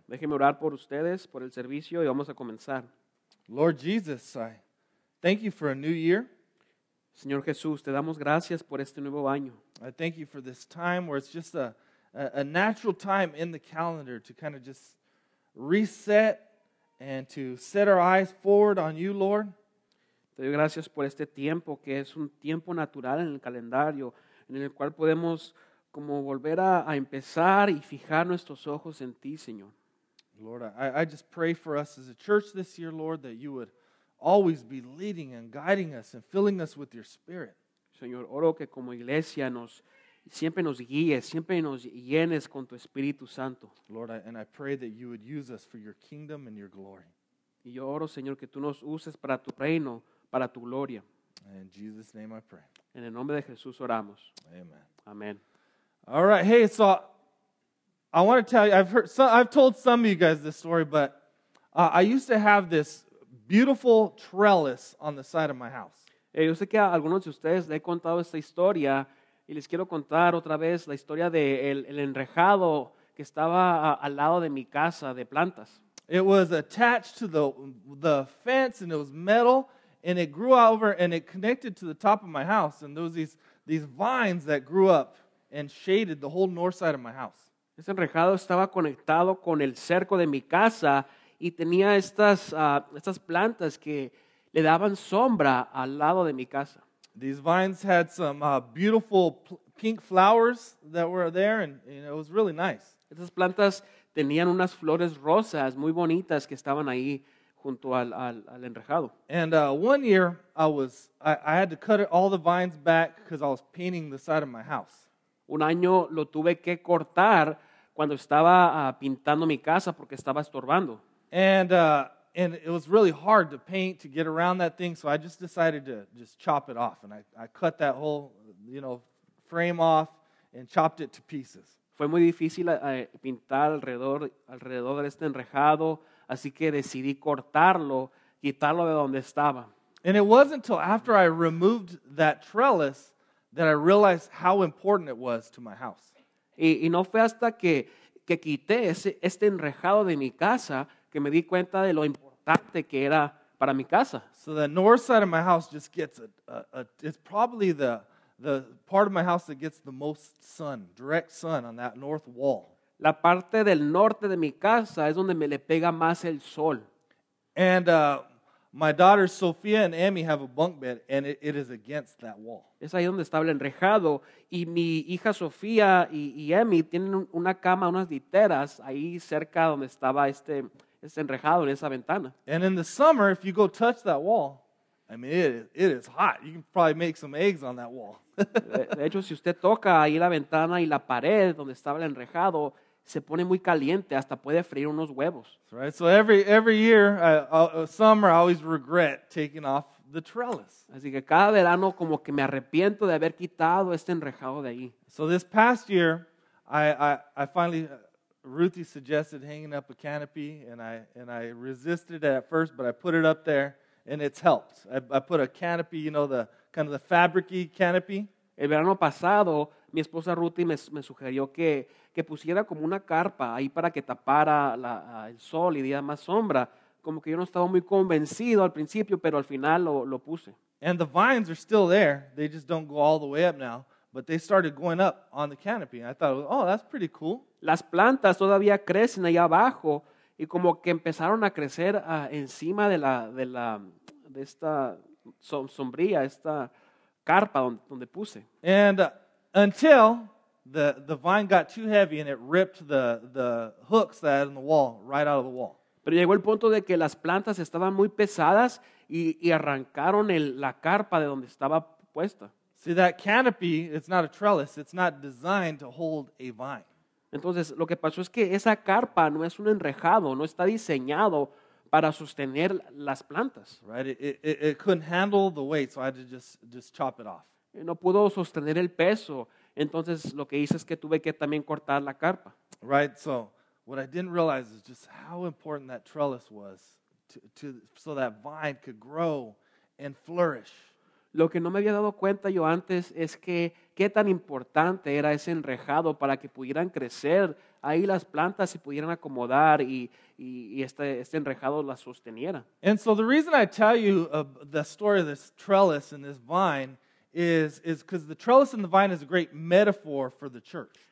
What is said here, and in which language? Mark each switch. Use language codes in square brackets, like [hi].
[es] Déjeme orar por ustedes, por el servicio y vamos a comenzar. [en] Lord Jesus, I thank you for a new year. [es] Señor Jesús, te damos gracias por este nuevo año. [en] I thank you for this time where it's just a natural time in the calendar to kind of just reset and to set our eyes forward on you, Lord. [es] Te doy gracias por este tiempo que es un tiempo natural en el calendario en el cual podemos como volver a empezar y fijar nuestros ojos en ti, Señor. [en] Lord, I just pray for us as a church this year, Lord, that you would always be leading and guiding us and filling us with your Spirit. [es] Señor, oro que como iglesia nos siempre nos guíes, siempre nos llenes con tu Espíritu Santo. [en] Lord, I pray that you would use us for your kingdom and your glory. [es] Y yo oro, Señor, que tú nos uses para tu reino, para tu gloria. [en] In Jesus' name I pray. [es] En el nombre de Jesús oramos. Amen. Amen. [en] All right, hey, so I want to tell you, I've told some of you guys this story, but I used to have this beautiful trellis on the side of my house. [es] Hey, yo sé que a algunos de ustedes les he contado esta historia, y les quiero contar otra vez la historia de el enrejado que estaba al lado de mi casa de plantas. [en] It was attached to the fence, and it was metal, and it grew over, and it connected to the top of my house, and there was these vines that grew up and shaded the whole north side of my house. [es] Ese enrejado estaba conectado con el cerco de mi casa y tenía estas plantas que le daban sombra al lado de mi casa. [en] These vines had some beautiful pink flowers that were there, and it was really nice. [es] Estas plantas tenían unas flores rosas muy bonitas que estaban ahí junto al enrejado. [en] And one year I had to cut all the vines back because I was painting the side of my house. [es] Un año lo tuve que cortar cuando estaba pintando mi casa porque estaba estorbando. [en] And it was really hard to paint to get around that thing, so I just decided to just chop it off. And I cut that whole, you know, frame off and chopped it to pieces. [es] Fue muy difícil pintar alrededor de este enrejado, así que decidí cortarlo, quitarlo de donde estaba. [en] And it wasn't until after I removed that trellis that I realized how important it was to my house. [es] Y no fue hasta que quité este enrejado de mi casa que me di cuenta de lo importante que era para mi casa. [en] So the north side of my house just gets it's probably the part of my house that gets the most sun, direct sun on that north wall. [es] La parte del norte de mi casa es donde me le pega más el sol. [en] And my daughters Sophia and Emmy have a bunk bed, and it is against that wall. [es] Es ahí donde estaba el enrejado, y mi hija Sofía y Emmy tienen una cama, unas literas ahí cerca donde estaba este enrejado en esa ventana. [en] And in the summer, if you go touch that wall, I mean, it is hot. You can probably make some eggs on that wall. [es] De hecho, si usted toca ahí la ventana y la pared donde estaba el enrejado, se pone muy caliente, hasta puede freír unos huevos. [en] Right. So every year, summer, I always regret taking off the trellis. [es] Así que cada verano como que me arrepiento de haber quitado este enrejado de ahí. [en] So this past year, I finally, Ruthie suggested hanging up a canopy, and I resisted it at first, but I put it up there, and it's helped. I put a canopy, you know, the kind of the fabric-y canopy. [es] El verano pasado, mi esposa Ruthie me sugirió que pusiera como una carpa ahí para que tapara el sol y diera más sombra. Como que yo no estaba muy convencido al principio, pero al final lo puse. [en] And the vines are still there. They just don't go all the way up now. But they started going up on the canopy. I thought, oh, that's pretty cool. [es] Las plantas todavía crecen allá abajo y como que empezaron a crecer encima de esta sombrilla, esta carpa donde puse. [en] And until the vine got too heavy and it ripped the hooks that had in the wall right out of the wall. [es] Pero llegó el punto de que las plantas estaban muy pesadas y arrancaron la carpa de donde estaba puesta. [en] See, that canopy, it's not a trellis. It's not designed to hold a vine. [es] Entonces, lo que pasó es que esa carpa no es un enrejado, no está diseñado para sostener las plantas. [en] Right, it couldn't handle the weight, so I had to just chop it off. [es] No pudo sostener el peso, entonces lo que hice es que tuve que también cortar la carpa. [en] Right, so what I didn't realize is just how important that trellis was to so that vine could grow and flourish. [es] Lo que no me había dado cuenta yo antes es qué tan importante era ese enrejado para que pudieran crecer ahí las plantas y pudieran acomodar y este enrejado las sosteniera. [en] And so the reason I tell you the story of this trellis and this vine is because the trellis and the vine is a great metaphor for the church.